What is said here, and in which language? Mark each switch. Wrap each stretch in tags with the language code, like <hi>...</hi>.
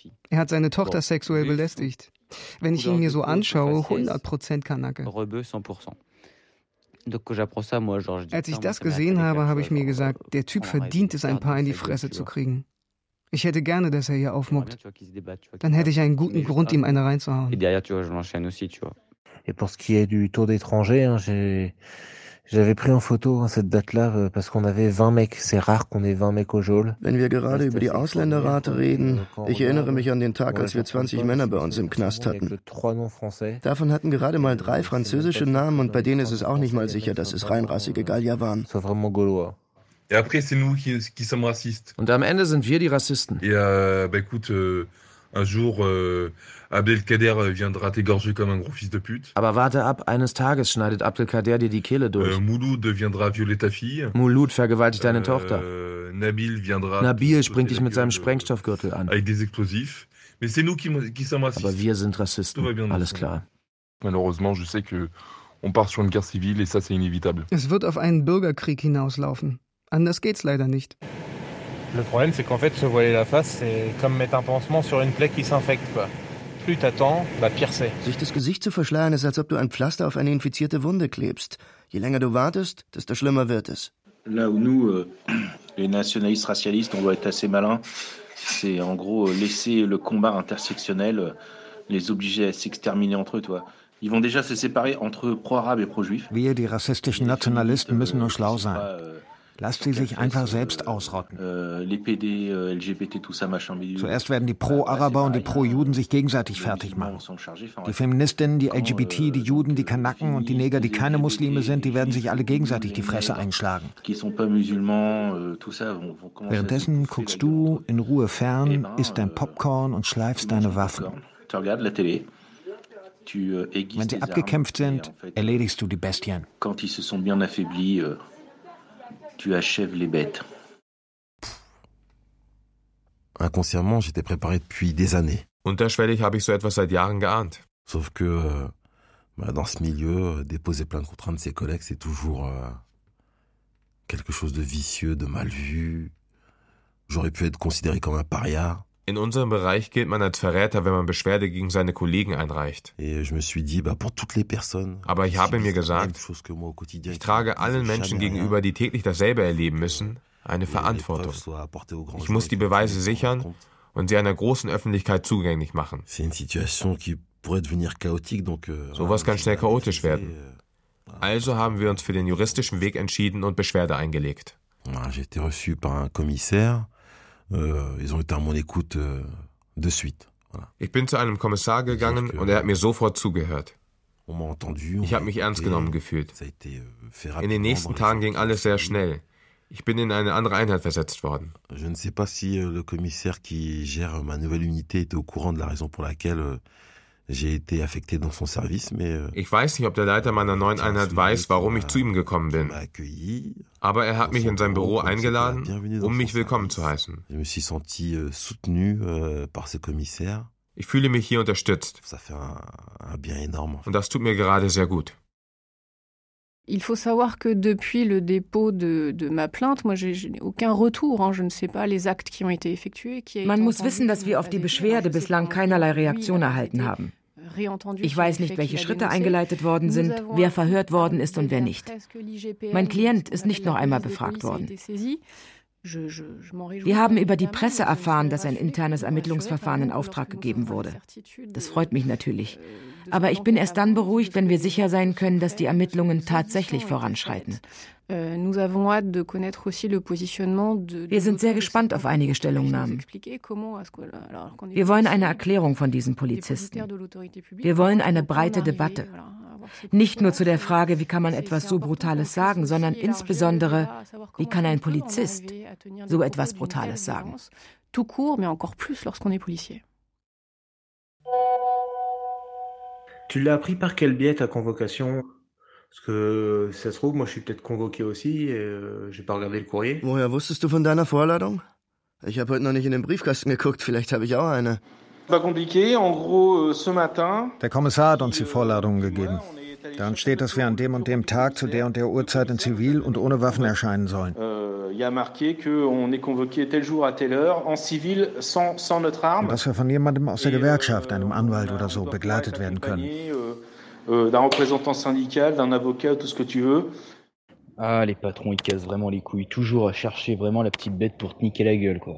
<de>Er hat seine Tochter sexuell belästigt. Wenn ich ihn mir so anschaue, 100% Kanake. Als ich das gesehen habe, habe ich mir gesagt, der Typ verdient es, ein paar in die Fresse zu kriegen. Ich hätte gerne, dass er hier aufmuckt. Dann hätte ich einen guten Grund, ihm eine reinzuhauen.</de> <fr>Et pour ce qui est du tour d'étranger, j'avais pris en photo à cette date-là, parce qu'on avait 20 mecs. C'est rare qu'on ait 20 mecs au geôle.</fr> <de>Wenn wir gerade über die Ausländerrate reden, ich erinnere mich an den Tag, als wir 20 Männer bei uns im Knast hatten. Davon hatten gerade mal 3 französische Namen und bei denen ist es auch nicht mal sicher, dass es reinrassige Gallier waren.</de> <fr>C'est vraiment gaulois. Et après, c'est nous qui sommes racistes.</fr> <de>Und am Ende sind wir die Rassisten.</de> <fr>Et, bah, écoute, Un jour, Abdelkader viendra t'égorger comme un gros fils de pute.</fr> <de>Aber warte ab, eines Tages schneidet Abdelkader dir die Kehle durch.</de> <fr>Mouloud deviendra violer ta fille.</fr> <de>Mouloud vergewaltigt deine Tochter.</de> <fr>Nabil viendra...</fr> <de>Nabil springt dich mit seinem Sprengstoffgürtel an.</de> <fr>Avec des explosifs. Mais c'est nous qui sommes rassistes.</fr> <de>Aber wir sind Rassisten.</de> <fr>Tout va bien.</fr> <de>Alles klar.</de> <fr>Malheureusement, je sais que on part sur une guerre civile et ça c'est inévitable.</fr> <de>Es wird auf einen Bürgerkrieg hinauslaufen. Anders geht's leider nicht.</de> <fr>Le problème, c'est qu'en fait, se voiler la face, c'est comme mettre un pansement sur une plaie qui s'infecte, quoi. Plus t'attends, bah pire c'est.</fr> <de>Sich das Gesicht zu verschleiern, ist, als ob du ein Pflaster auf eine infizierte Wunde klebst. Je länger du wartest, desto schlimmer wird es.</de> <fr>Là où nous, les nationalistes racialistes, on doit être assez malins, c'est en gros laisser le combat intersectionnel les obliger à s'exterminer entre eux, toi. Ils vont déjà se séparer entre pro-arabes et pro-juifs.</fr> <de>Wir, die rassistischen Nationalisten, müssen nur schlau sein. Lass sie sich einfach selbst ausrotten. Zuerst werden die Pro-Araber und die Pro-Juden sich gegenseitig fertig machen. Die Feministinnen, die LGBT, die Juden, die Kanaken und die Neger, die keine Muslime sind, die werden sich alle gegenseitig die Fresse einschlagen. Währenddessen guckst du in Ruhe fern, isst dein Popcorn und schleifst deine Waffen. Wenn sie abgekämpft sind, erledigst du die Bestien.</de> <fr>Quand ils se sont bien affaiblis, tu achèves les bêtes. Inconsciemment, j'étais préparé depuis des années.</fr> <de>Unterschwellig habe ich so etwas seit Jahren geahnt.</de> <fr>Sauf que dans ce milieu, déposer plainte contre un de ses collègues, c'est toujours quelque chose de vicieux, de mal vu. J'aurais pu être considéré comme un paria.</fr> <de>In unserem Bereich gilt man als Verräter, wenn man Beschwerde gegen seine Kollegen einreicht.</de> <fr>Et je me suis dit, pour toutes les personnes,</fr> <de>aber ich habe mir gesagt, ich trage allen Menschen gegenüber, die täglich dasselbe erleben müssen, eine Verantwortung. Ich muss die Beweise sichern und sie einer großen Öffentlichkeit zugänglich machen. Sowas kann schnell chaotisch werden. Also haben wir uns für den juristischen Weg entschieden und Beschwerde eingelegt.</de> <fr>J'ai été reçu par un commissaire. Ils ont été à mon écoute de suite. Voilà.</fr> <de>Ich bin zu einem Kommissar gegangen und er hat mir sofort zugehört.</de> <fr>On m'a entendu,</fr> <de>ich habe mich ernst genommen gefühlt.</de> <fr>Ça a été fait rapidement.</fr> <de>In den nächsten Tagen ging alles sehr schnell. Ich bin in eine andere Einheit versetzt worden.</de> <fr>Je ne sais pas si le commissaire qui gère ma nouvelle unité était au courant de la raison pour laquelle j'ai été affecté dans son service, mais</fr> <de>ich weiß nicht, ob der Leiter meiner neuen Einheit weiß, warum ich zu ihm gekommen bin. Aber er hat mich in sein Büro eingeladen, um mich willkommen zu heißen.</de> <fr>Je me suis senti soutenu par ce commissaire.</fr> <de>Ich fühle mich hier unterstützt.</de> <fr>Ça fait un bien énorme.</fr> <de>Und das tut mir gerade sehr gut.</de> <fr>Il faut savoir que depuis le dépôt de ma plainte, moi j'ai aucun retour, je ne sais pas les actes qui ont été effectués.</fr> <de>Man muss wissen, dass wir auf die Beschwerde bislang keinerlei Reaktion erhalten haben. Ich weiß nicht, welche Schritte eingeleitet worden sind, wer verhört worden ist und wer nicht. Mein Klient ist nicht noch einmal befragt worden. Wir haben über die Presse erfahren, dass ein internes Ermittlungsverfahren in Auftrag gegeben wurde. Das freut mich natürlich. Aber ich bin erst dann beruhigt, wenn wir sicher sein können, dass die Ermittlungen tatsächlich voranschreiten. Wir sind sehr gespannt auf einige Stellungnahmen. Wir wollen eine Erklärung von diesen Polizisten. Wir wollen eine breite Debatte. Nicht nur zu der Frage, wie kann man etwas so Brutales sagen, sondern insbesondere, wie kann ein Polizist so etwas Brutales sagen?</de> <fr>Tout court, mais encore plus lorsqu'on est policier. Tu l'as appris par quel biais ta convocation? Parce que ça se trouve, moi je suis peut-être convoqué aussi et j'ai pas regardé le courrier.</fr> <de>Woher wusstest du von deiner Vorladung? Ich habe heute noch nicht in den Briefkasten geguckt, vielleicht habe ich auch eine.</de> <fr>Pas compliqué, en gros, ce matin.</fr> <de>Der Kommissar hat uns die Vorladung gegeben. Dann steht, dass wir an dem und dem Tag zu der und der Uhrzeit in Zivil und ohne Waffen erscheinen sollen.</de> <fr>Il y a marqué que on est convoqué tel jour à telle heure en civil sans notre arme.</fr> <de>Und dass wir von jemandem aus der Gewerkschaft, einem Anwalt oder so, begleitet werden können.</de> <fr>D'un représentant syndical, d'un avocat, tout ce que tu veux. Ah, les patrons, ils cassent vraiment les couilles. Toujours à chercher vraiment la petite bête pour te niquer la gueule, quoi.</fr>